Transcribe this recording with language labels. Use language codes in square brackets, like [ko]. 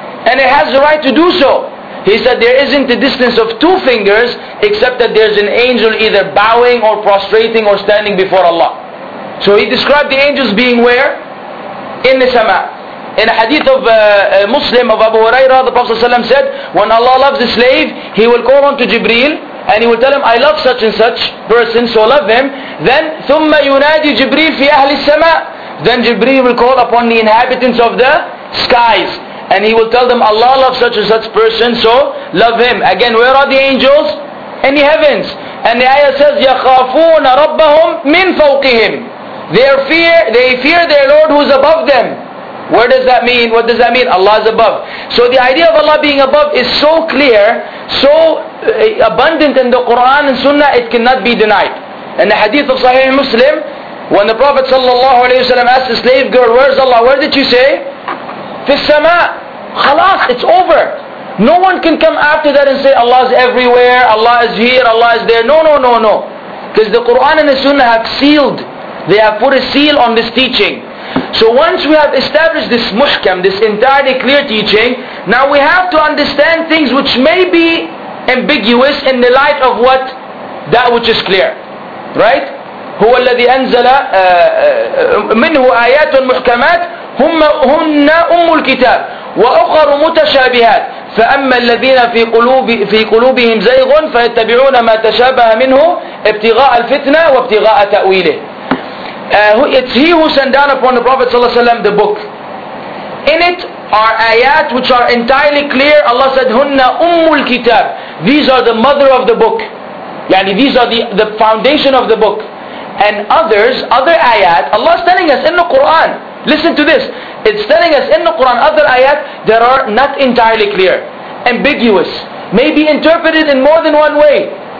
[en] And it has the right to do so. He said there isn't a distance of two fingers except that there's an angel either bowing or prostrating or standing before Allah. So he described the angels being where? In the sama. In a hadith of Muslim of Abu Hurairah, the Prophet ﷺ said, when Allah loves a slave, He will call on to Jibreel and He will tell him, I love such and such person, so love him. Then [ar] ثُمَّ يُنَادِي جِبْرِيلِ فِي أَهْلِ السَّمَاءِ. [en] Then Jibreel will call upon the inhabitants of the skies. And he will tell them, Allah loves such and such person, so love him. Again, where are the angels? In the heavens. And the ayah says, [ar] يَخَافُونَ رَبَّهُمْ مِنْ فَوْقِهِمْ. [en] They fear their Lord who is above them. Where does that mean? What does that mean? Allah is above. So the idea of Allah being above is so clear, so abundant in the Quran and Sunnah, it cannot be denied. In the hadith of Sahih Muslim, when the Prophet ﷺ asked the slave girl, where is Allah? Where did you say? [ar] في السماء. [en] خلاص, it's over. No one can come after that and say Allah is everywhere, Allah is here, Allah is there. No. Because the Quran and the Sunnah have sealed, they have put a seal on this teaching. So once we have established this muhkam, this entirely clear teaching, now we have to understand things which may be ambiguous in the light of what? That which is clear. Right? [ar] هو الذي أنزل منه آيات محكمات هن أم الكتاب وأخر متشابهات فأما الذين في قلوبهم زيغ فيتبعون ما تشابه منه ابتغاء الفتنة وابتغاء تأويله. [en] It's He who sent down upon the Prophet صلى الله عليه وسلم the book. In it are ayat which are entirely clear. Allah said, [ar] هن أم الكتاب. [en] These are the mother of the book. يعني these are the foundation of the book. And other ayat, Allah is telling us in the Quran, listen to this, it's telling us in the Quran, other ayat that are not entirely clear, ambiguous, may be interpreted in more than one way.